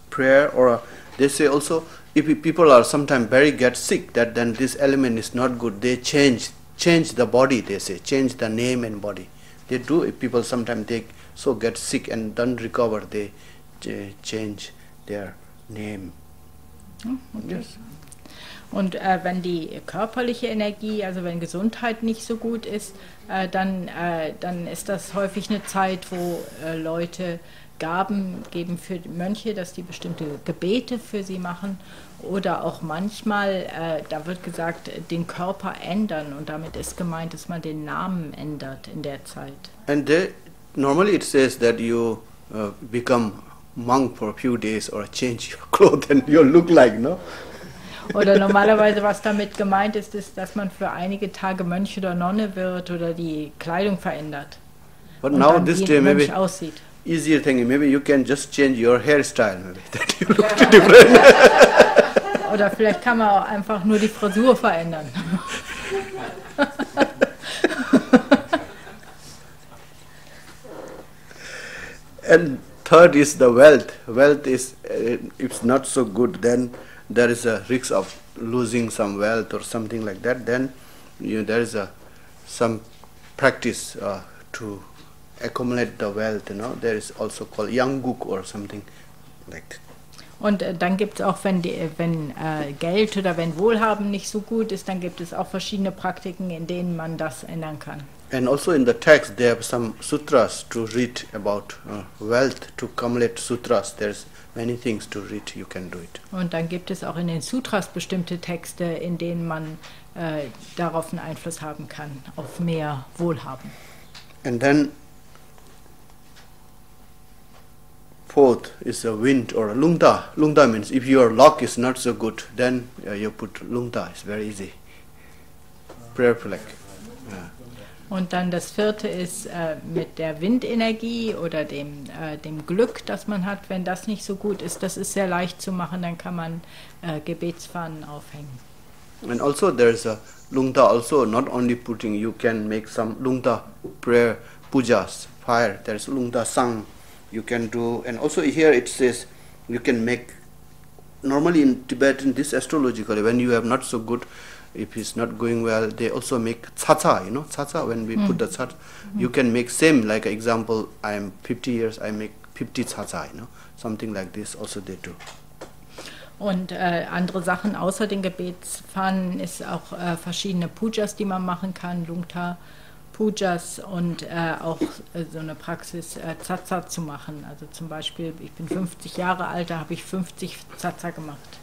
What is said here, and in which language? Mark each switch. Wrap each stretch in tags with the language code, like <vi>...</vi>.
<en>prayer, or they say also if people are sometimes very get sick, that then this element is not good. They change the body, they say, change the name and body. They do, if people sometimes they so get sick and don't recover, they change their name. Oh, okay. Yes.</en> <de>Und wenn die körperliche Energie, also wenn Gesundheit nicht so gut ist, dann ist das häufig eine Zeit, wo Leute Gaben geben für die Mönche, dass die bestimmte Gebete für sie machen. Oder auch manchmal, da wird gesagt, den Körper ändern. Und damit ist gemeint, dass man den Namen ändert in der Zeit.</de> <en>And they, normally it says that you become monk for a few days or change your clothes and you look like, no?</en> <de>Oder normalerweise, was damit gemeint ist, ist, dass man für einige Tage Mönch oder Nonne wird oder die Kleidung verändert.</de> <en>But now this day maybe</en> <de>aussieht.</de> <en>Easier thing, maybe you can just change your hairstyle, maybe that you look too different.</en> <de>Oder vielleicht kann man auch einfach nur die Frisur verändern.</de> <en>And third is the wealth. Wealth is, it's not so good, then there is a risk of losing some wealth or something like that. Then you know, there is a some practice to accumulate the wealth, you know. There is also called yangguk or something like that.</en> <de>Und dann gibt es auch, wenn Geld oder wenn Wohlhaben nicht so gut ist, dann gibt es auch verschiedene Praktiken, in denen man das ändern kann.</de> <en>And also in the text, they have some sutras to read about wealth, to accumulate sutras. There's many things to read, you can do it.</en> <de>Und dann gibt es auch in den Sutras bestimmte Texte, in denen man darauf einen Einfluss haben kann, auf mehr Wohlhaben.</de> <en>And then fourth is a wind or a lungta. Lungta means if your luck is not so good, then you put lungta. It's very easy. Prayer flag.</en> <de>Und dann das vierte ist mit der Windenergie oder dem Glück, das man hat. Wenn das nicht so gut ist, das ist sehr leicht zu machen, dann kann man Gebetsfahnen aufhängen.</de> <en>And also there is a lungta also, not only putting, you can make some lungta prayer pujas, fire. There is lungta sang. You can do, and also here it says you can make, normally in Tibetan, this astrologically, when you have not so good, if it's not going well, they also make tsatsa, you know, tsatsa, when we put the tsatsa, you can make same, like example, I am 50 years, I make 50 tsatsa, you know, something like this also they do.</en> <de>Und andere Sachen außer den Gebetsfahnen ist auch verschiedene Pujas, die man machen kann, Lungta. Pujas und auch so eine Praxis, Tsatsa zu machen. Also zum Beispiel, ich bin 50 Jahre alt, da habe ich 50 Tsatsa gemacht.</de>